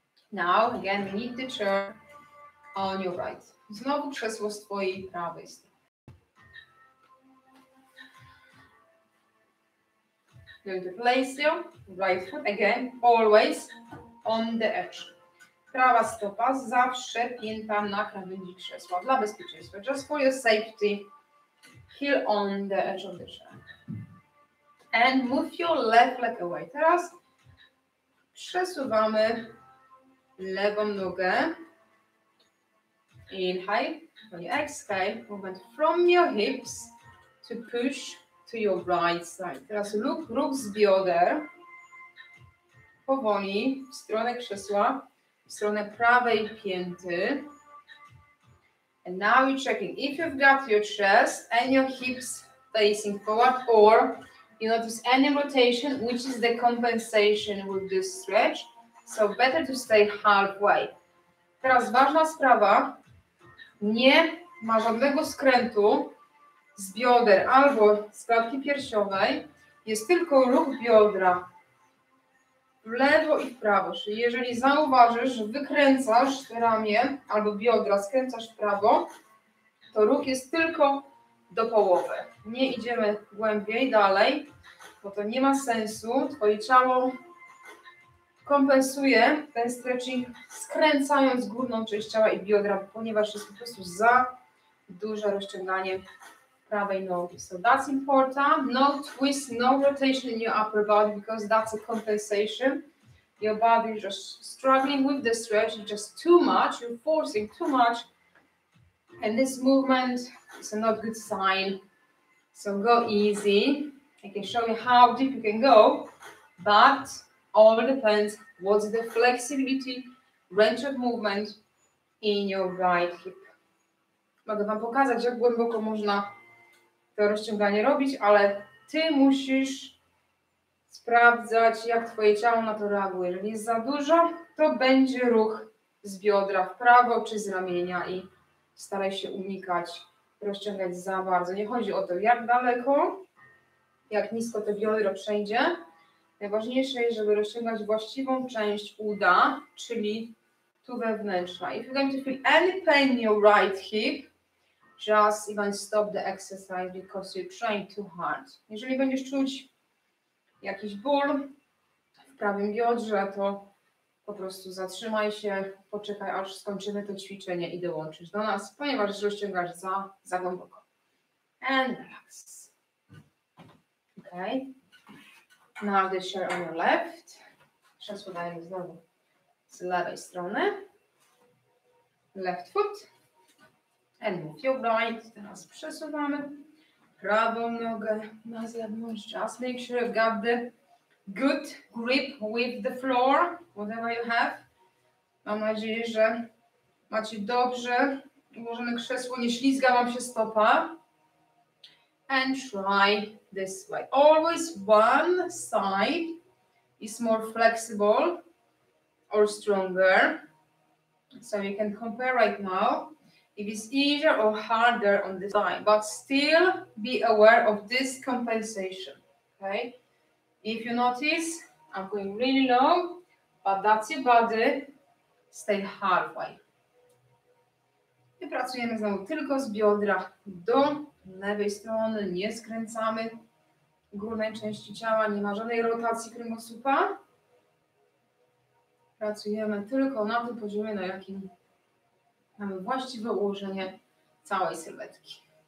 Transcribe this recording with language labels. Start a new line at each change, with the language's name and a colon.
English: Now, again, we need to turn on your right.
Polish: Znowu krzesło z twojej prawej strony.
English: Going to place your right foot again, always on the edge.
Polish: Prawa stopa zawsze pięta na krawędzi krzesła dla bezpieczeństwa.
English: Just for your safety, heel on the edge of the chair. And move your left leg away.
Polish: Teraz przesuwamy lewą nogę.
English: Inhale, when you exhale, movement from your hips to push to your right side.
Polish: Teraz ruch z bioder, powoli w stronę krzesła, w stronę prawej pięty.
English: And now you're checking if you've got your chest and your hips facing forward, or you notice any rotation, which is the compensation with this stretch. So better to stay halfway.
Polish: Teraz ważna sprawa. Nie ma żadnego skrętu z bioder albo z klatki piersiowej. Jest tylko ruch biodra w lewo i w prawo. Czyli jeżeli zauważysz, że wykręcasz ramię albo biodra, skręcasz w prawo, to ruch jest tylko do połowy. Nie idziemy głębiej dalej, bo to nie ma sensu. Twoje ciało kompensuje ten stretching, skręcając górną część ciała i biodra, ponieważ jest po prostu za duże rozciąganie prawej nogi.
English: So that's important. No twist, no rotation in your upper body, because that's a compensation. Your body is just struggling with the stretch, it's just too much, you're forcing too much. And this movement is a not good sign. So go easy. I can show you how deep you can go, but all depends what's the flexibility, range of movement in your right hip.
Polish: Mogę wam pokazać, jak głęboko można to rozciąganie robić, ale ty musisz sprawdzać, jak twoje ciało na to reaguje. Jeżeli jest za dużo, to będzie ruch z biodra w prawo czy z ramienia i staraj się unikać, rozciągać za bardzo. Nie chodzi o to, jak daleko, jak nisko to biodro przejdzie. Najważniejsze jest, żeby rozciągać właściwą część uda, czyli tu wewnętrzna.
English: If you're going to feel any pain in your right hip, just even stop the exercise because you're trying too hard.
Polish: Jeżeli będziesz czuć jakiś ból w prawym biodrze, to po prostu zatrzymaj się, poczekaj, aż skończymy to ćwiczenie i dołączysz do nas, ponieważ rozciągasz za głęboko.
English: And relax. Okay. Now the chair on your left.
Polish: Krzesło dajemy znowu z lewej strony.
English: Left foot. And move your right.
Polish: Teraz przesuwamy prawą nogę na zewnątrz.
English: Just make sure you've got the good grip with the floor, whatever you have.
Polish: Mam nadzieję, że macie dobrze ułożone krzesło, nie ślizga wam się stopa.
English: And try this way. Always one side is more flexible or stronger. So you can compare right now if it's easier or harder on this side, but still be aware of this compensation. Okay? If you notice, I'm going really low, but that's your body, stay halfway.
Polish: I pracujemy znowu tylko z biodra do lewej strony, nie skręcamy górnej części ciała, nie ma żadnej rotacji kręgosłupa. Pracujemy tylko na tym poziomie, na jakim mamy właściwe ułożenie całej sylwetki.